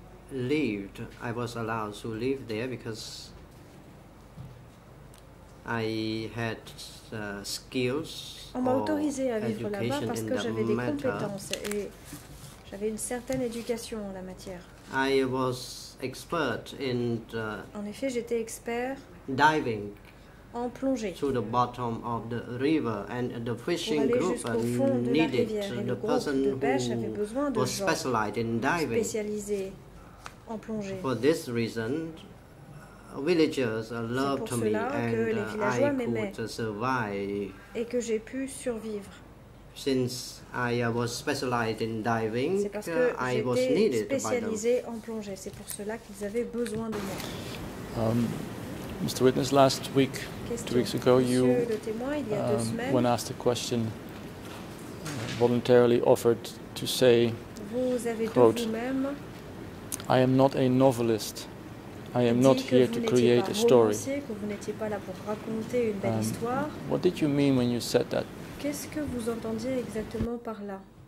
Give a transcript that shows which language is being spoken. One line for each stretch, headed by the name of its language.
English: I was allowed to live there because I had skills.
French: On m'a autorisé à vivre là-bas parce que j'avais des compétences et j'avais une certaine éducation en la matière.
English: I was expert in the
French: en effet, j'étais expert
English: diving.
French: En plongée.
English: To the bottom of the river, and the fishing group needed the person who was specialized in diving.
French: Spécialisé en plongée.
English: For this reason, villagers loved me, and I could survive.
French: Et que j'ai pu survivre.
English: Since I was specialized in diving, I was needed
French: spécialisé
English: by them.
French: En plongée. C'est pour cela qu'ils avaient besoin de moi.
English: Mr. Witness, last week, 2 weeks ago, you, when asked a question, voluntarily offered to say, quote, I am not a novelist. I am not here to create a story. What did you mean when you said that?
French: Qu'est-ce que vous entendiez exactement par là?